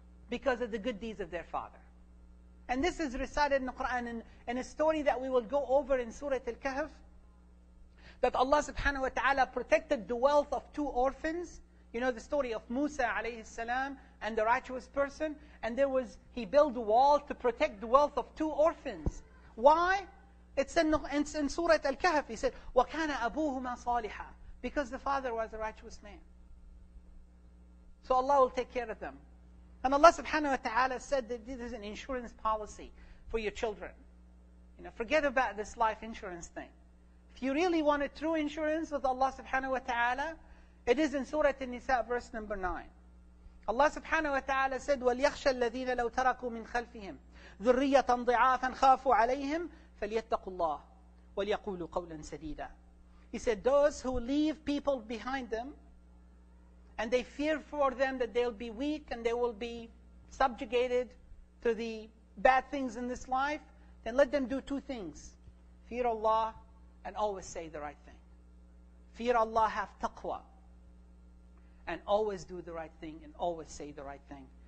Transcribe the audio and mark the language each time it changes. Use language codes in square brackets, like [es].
[en] Because of the good deeds of their father. And this is recited in the Quran in a story that we will go over in Surah Al-Kahf, that Allah subhanahu wa ta'ala protected the wealth of two orphans. You know the story of Musa alayhi salam and the righteous person. And he built a wall to protect the wealth of two orphans. Why? It's in Surah Al-Kahf. He said, [ar] وَكَانَ أَبُوهُمَا صَالِحًا. [en] Because the father was a righteous man. So Allah will take care of them. And Allah subhanahu wa ta'ala said that this is an insurance policy for your children. You know, forget about this life insurance thing. If you really want a true insurance with Allah subhanahu wa ta'ala, it is in Surah An-Nisa, verse number 9. Allah subhanahu wa ta'ala said, [ar] وَلْيَخْشَ الَّذِينَ لَوْ تَرَكُوا مِنْ خَلْفِهِمْ ذُرِّيَّةً ضِعَافًا خَافُوا عَلَيْهِمْ فَلْيَتَّقُوا اللَّهِ وَلْيَقُولُوا قَوْلًا سَدِيدًا. [en] He said, those who leave people behind them, and they fear for them that they'll be weak and they will be subjugated to the bad things in this life, then let them do two things. Fear Allah and always say the right thing. Fear Allah, have taqwa, and always do the right thing and always say the right thing.